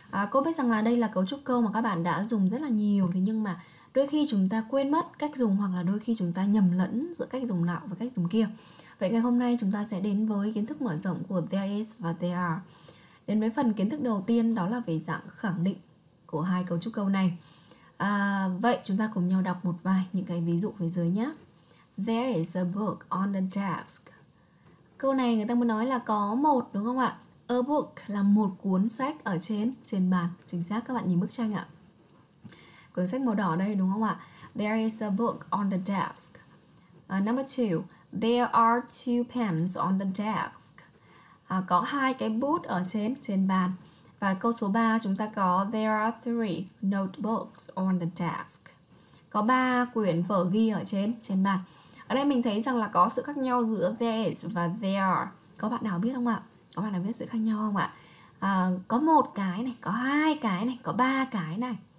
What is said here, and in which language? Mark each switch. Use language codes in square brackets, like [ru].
[vi] Cô biết rằng là đây là cấu trúc câu mà các bạn đã dùng rất là nhiều, thế nhưng mà đôi khi chúng ta quên mất cách dùng hoặc là đôi khi chúng ta nhầm lẫn giữa cách dùng nào và cách dùng kia. Vậy ngày hôm nay chúng ta sẽ đến với kiến thức mở rộng của [en] there is [vi] và [en] there are. [vi] Đến với phần kiến thức đầu tiên đó là về dạng khẳng định của hai cấu trúc câu này. Vậy chúng ta cùng nhau đọc một vài những cái ví dụ phía dưới nhé. [en] There is a book on the desk. [vi] Câu này người ta muốn nói là có một, đúng không ạ? [en] A book [vi] là một cuốn sách ở trên bàn. Chính xác, các bạn nhìn bức tranh ạ. Cuốn sách màu đỏ đây, đúng không ạ? [en] There is a book on the desk. Number two, there are two pens on the desk. [vi] Có hai cái bút ở trên bàn. Và câu số 3 chúng ta có [en] there are three notebooks on the desk. [vi] Có 3 quyển vở ghi ở trên bàn. Ở đây mình thấy rằng là có sự khác nhau giữa [en] there is [vi] và [en] there are. [vi] Có bạn nào biết không ạ? Có bạn nào biết sự khác nhau không ạ? Có một cái này, có hai cái này, có ba cái này.